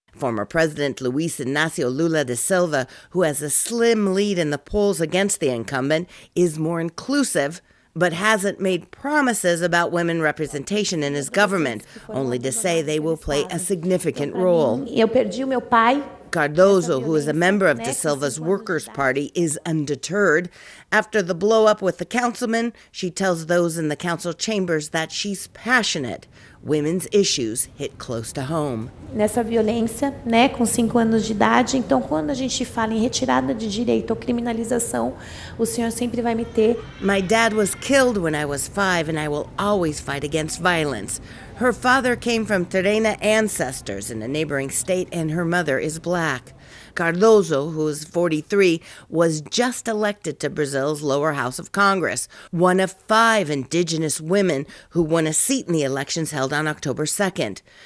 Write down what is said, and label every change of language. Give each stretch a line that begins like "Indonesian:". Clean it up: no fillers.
English: Former President Luiz Inácio Lula da Silva, who has a slim lead in the polls against the incumbent, is more inclusive, but hasn't made promises about women representation in his government, only to say they will play a significant role. Cardoso, who is a member of Da Silva's Workers' Party, is undeterred. After the blow-up with the councilman, she tells those in the council chambers that she's passionate. Women's issues hit close to home.
Portuguese: Nessa violência, né, com 5 anos de idade, então quando a gente fala em retirada de direito ou criminalização, o senhor sempre vai me ter.
English: My dad was killed when I was 5 and I will always fight against violence. Her father came from Terena ancestors in a neighboring state and her mother is black. Cardoso, who is 43, was just elected to Brazil's lower house of Congress, one of 5 indigenous women who won a seat in the elections held on October 2nd.